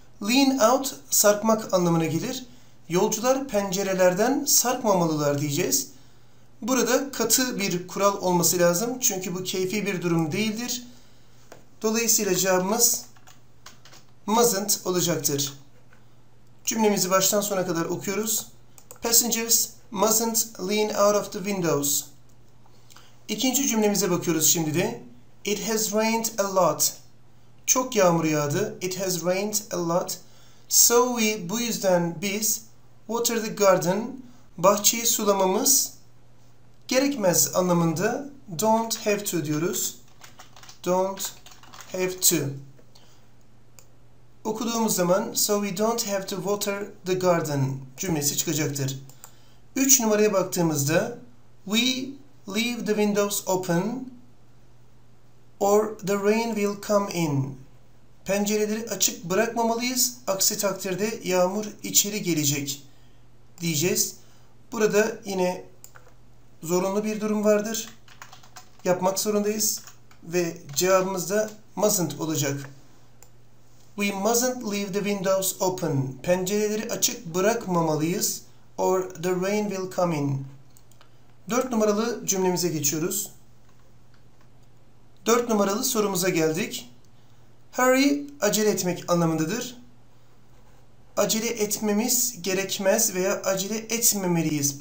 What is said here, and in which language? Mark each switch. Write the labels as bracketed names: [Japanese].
[Turkish] Lean out, sarkmak anlamına gelir. Yolcular pencerelerden sarkmamalılar diyeceğiz. Burada katı bir kural olması lazım. Çünkü bu keyfi bir durum değildir. Dolayısıyla cevabımız mustn't olacaktır. Cümlemizi baştan sona kadar okuyoruz. [English] Passengers mustn't lean out of the windows. [Turkish] İkinci cümlemize bakıyoruz şimdi de. [English] It has rained a lot. [Turkish] Çok yağmur yağdı. [English] It has rained a lot. So we, [Turkish] bu yüzden biz, [English] water the garden, [Turkish] bahçeyi sulamamız gerekmez anlamında don't have to diyoruz. [English] Don't have to. [Turkish] Okuduğumuz zaman [English] so we don't have to water the garden [Turkish] cümlesi çıkacaktır. 3 numaraya baktığımızda [English] we leave the windows open or the rain will come in. [Turkish] Pencereleri açık bırakmamalıyız. Aksi takdirde yağmur içeri gelecek diyeceğiz. Burada yine zorunlu bir durum vardır. Yapmak zorundayız. Ve cevabımız da mustn't olacak. [English] We mustn't leave the windows open. [Turkish] Pencereleri açık bırakmamalıyız. [English] Or the rain will come in. [Turkish] 4 numaralı cümlemize geçiyoruz. 4 numaralı sorumuza geldik. Hurry, acele etmek anlamındadır. Acele etmemiz gerekmez veya acele etmemeliyiz.